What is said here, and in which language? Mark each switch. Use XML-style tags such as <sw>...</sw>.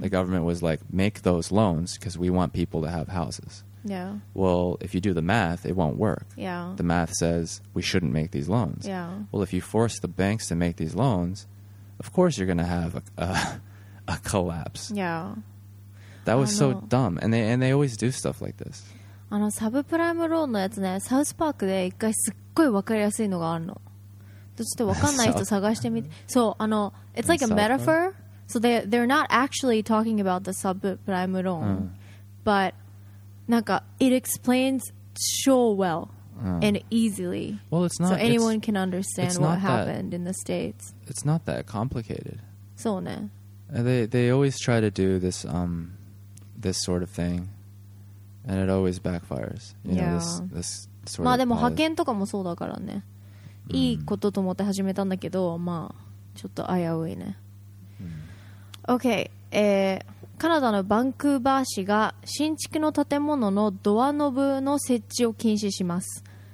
<en>The government was like, make those loans because we want people to have houses. Yeah. Well, if you do the math, it won't work. Yeah. The math says we shouldn't make these loans. Yeah. Well, if you force the banks to make these loans, of course you're going to have a collapse. Yeah. That was so dumb. And they always do stuff like this.</en> <ja>あのサブプライムローンのやつね、サウスパークで一回すっごい分かりやすいのがあるの。ちょっと分かんない人探してみて。そう、あの、</ja> <en>it's like a metaphor. So they're not actually talking about the subprime loan. But, なんか、it explains so well and easily. Well, it's not, so anyone can understand what happened in the States. It's not that complicated.</en> <ja>そうね。</ja> <en>They always try to do this, this sort of thing. And it always backfires. You know, this sort of...</en> <ja>まあでも派遣とかもそうだからね。いいことと思って始めたんだけど、まあちょっと危ういね。</ja> <en>Okay.</en> <ja>カナダのバンクーバー市が新築の建物のドアノブの設置を禁止します。</ja>